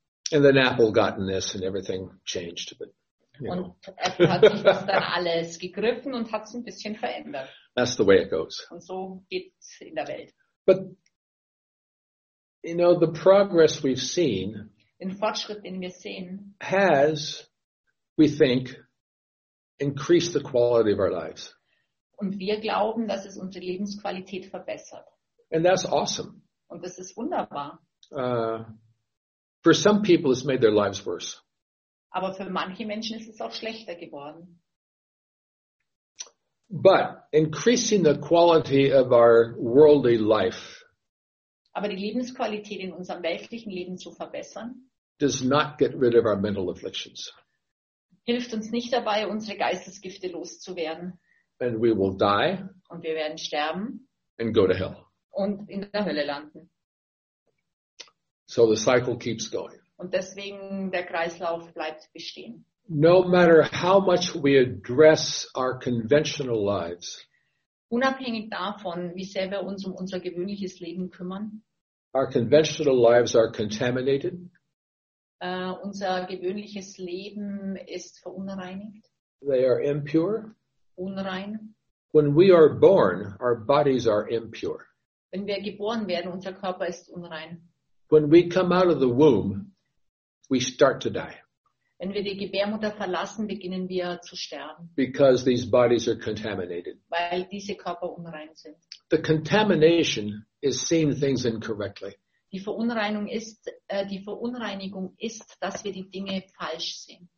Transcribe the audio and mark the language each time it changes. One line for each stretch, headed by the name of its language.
English: And then Apple got in this and everything changed. But,
German: und Apple hat sich das dann alles gegriffen und hat es ein bisschen verändert.
English: That's the way it goes.
German: Und so geht es in der Welt.
English: But you know, the progress we've seen
German: den Fortschritt, den wir sehen,
English: has, we think, increased the quality of our lives.
German: Und wir glauben, dass es unsere Lebensqualität verbessert.
English: And that's awesome.
German: Und das ist wunderbar.
English: For some people, it's made their lives worse.
German: Aber für manche Menschen ist es auch schlechter geworden.
English: But increasing the quality of our worldly life.
German: Aber die Lebensqualität in unserem weltlichen Leben zu verbessern.
English: Does not get rid of our mental afflictions.
German: Hilft uns nicht dabei, unsere Geistesgifte loszuwerden.
English: And we will die.
German: Und wir werden sterben.
English: And go to hell.
German: Und in der Hölle landen.
English: So the cycle keeps going.
German: Und deswegen der Kreislauf bleibt bestehen.
English: No matter how much we address our conventional lives.
German: Unabhängig davon, wie sehr wir uns um unser gewöhnliches Leben kümmern.
English: Our conventional lives are contaminated.
German: Unser gewöhnliches Leben ist verunreinigt.
English: They are impure.
German: Unrein.
English: When we are born, our bodies are impure.
German: Wenn wir geboren werden, unser Körper ist unrein.
English: When we come out of the womb, we start to die.
German: Wenn wir die Gebärmutter verlassen, beginnen wir zu sterben.
English: Because these bodies are contaminated.
German: Weil diese Körper unrein sind.
English: The contamination is seeing things incorrectly.
German: Die Verunreinigung ist, dass wir die Dinge falsch sehen.